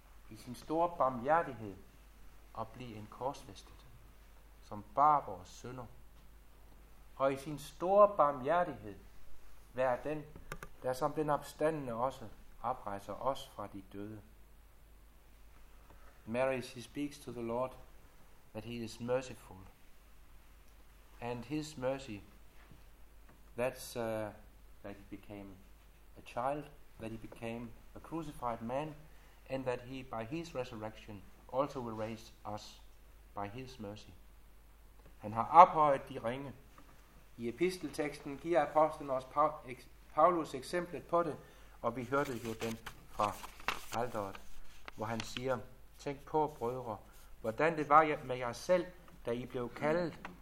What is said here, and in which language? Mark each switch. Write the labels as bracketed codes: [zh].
[da] I sin store barmhjertighed at blive en korsfæstet, som bar vores synder. Og i sin store barmhjertighed være den, der som den opstandende også oprejser os fra de døde. [en] Mary, she speaks to the Lord that he is merciful. And his mercy, that's that he became a child, that he became a crucified man, and that he, by his resurrection, also will raise us by his mercy. [da] Han har ophøjet de ringe. I epistelteksten giver apostlen os Paulus eksemplet på det, og vi hørte jo den fra alteret, hvor han siger, tænk på, brødre, hvordan det var med jer selv, da I blev kaldet.